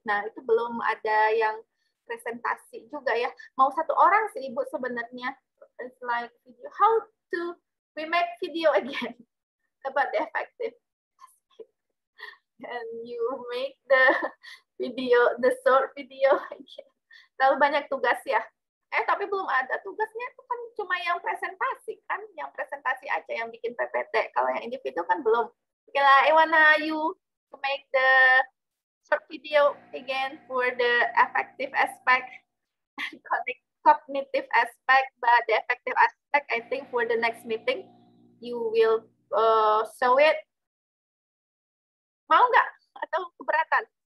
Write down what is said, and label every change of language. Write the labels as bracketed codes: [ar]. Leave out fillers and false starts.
[id] Nah itu belum ada yang presentasi juga ya. Mau satu orang sih Ibu sebenarnya. [en] It's like video. How to remake video again about the effective. And you make the video, the short video again. [id] Terlalu banyak tugas ya. Tapi belum ada tugasnya, itu kan cuma yang presentasi kan. Yang presentasi aja yang bikin PPT. Kalau yang individu kan belum. [en] Okay lah, I wanna you to make the short video again for the effective aspect and cognitive aspect, but the effective aspect, I think for the next meeting, you will show it. [id] Mau nggak? Atau keberatan?